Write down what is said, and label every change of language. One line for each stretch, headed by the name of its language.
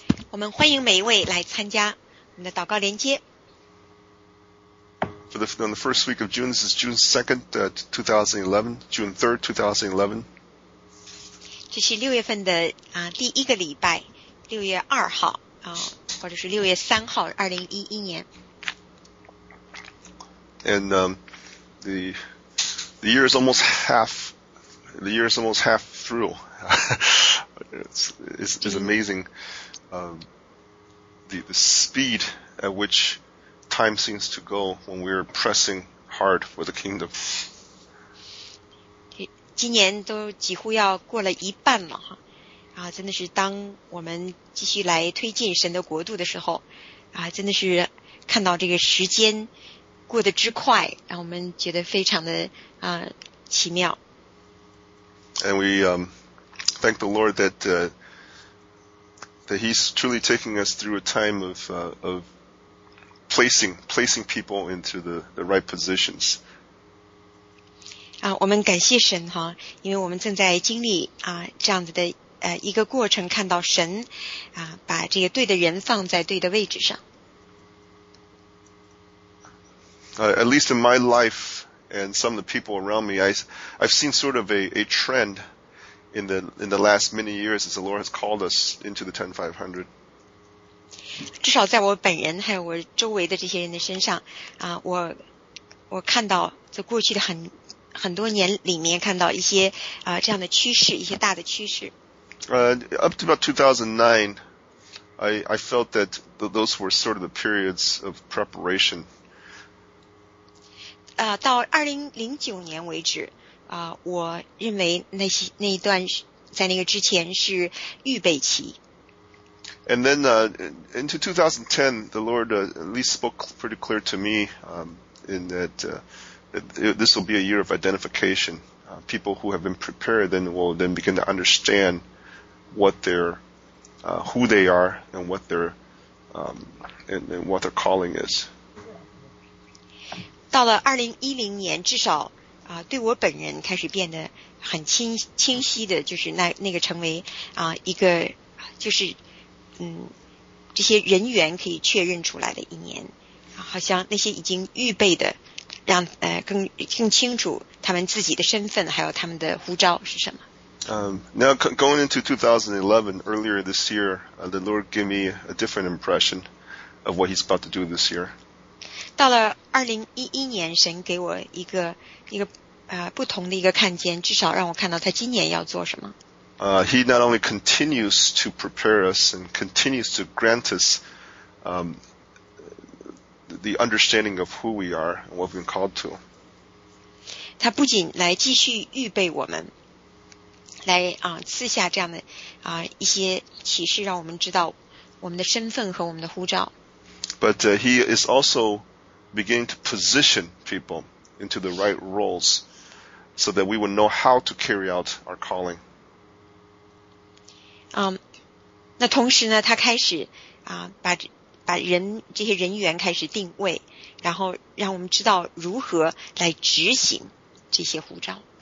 Chinese: 我们欢迎每一位来参加我们的祷告连接。
English: On the first week of June, this is June 2nd, 2011, June 3rd, 2011.
Chinese: 这是6月份的第一个礼拜，6月2号或者是6月3号，2011年。
English: And the year is almost half, the year is almost half through. it's amazing, the speed at which time seems to go when we're pressing hard for the kingdom.
Chinese: 今年都几乎要过了一半了啊，真的是当我们继续来推进神的国度的时候啊，真的是看到这个时间过得之快，让我们觉得非常的奇妙。
English: And we thank the Lord that that He's truly taking us through a time of placing people into the right positions.
Chinese: 我们感谢神哈，因为我们正在经历这样子的一个过程，看到神把这个对的人放在对的位置上。
English: At least in my life and some of the people around me, I've seen sort of a trend in the last many years as the Lord has called us into the 10500.
Chinese: 至少在我本人还有我周围的这些人的身上我看到在过去的很多年里面看到一些这样的趋势，一些大的趋势。
English: Up to about 2009, I felt that those were sort of the periods of preparation.
Chinese: 到2009年为止我认为那一段在那个之前是预备期。
English: And then, into 2010, the Lord, at least spoke pretty clear to me, in that, this will be a year of identification. People who have been prepared then will then begin to understand what their, who they are and what their, and what their calling is.
Chinese: 到了2010年至少对我本人开始变得很清晰的，就是那个成为一个就是这些人员可以确认出来的一年，好像那些已经预备的让更清楚他们自己的身份还有他们的呼召是什么。
English: Now going into 2011, earlier this year, the Lord gave me a different impression of what he's about to do this year.
Chinese: 到了2011年，神给我一个不同的一个看见，至少让我看到他今年要做什么。
English: He not only continues to prepare us and continues to grant us the understanding of who we are and what we've been called to.
Chinese: 他不仅来继续预备我们，来赐下这样的一些启示，让我们知道我们的身份和我们的呼召。
English: But he is also beginning to position people into the right roles so that we will know how to carry out our calling.
Chinese: 那同时呢他开始把人这些人员开始定位，然后让我们知道如何来执行这些呼召。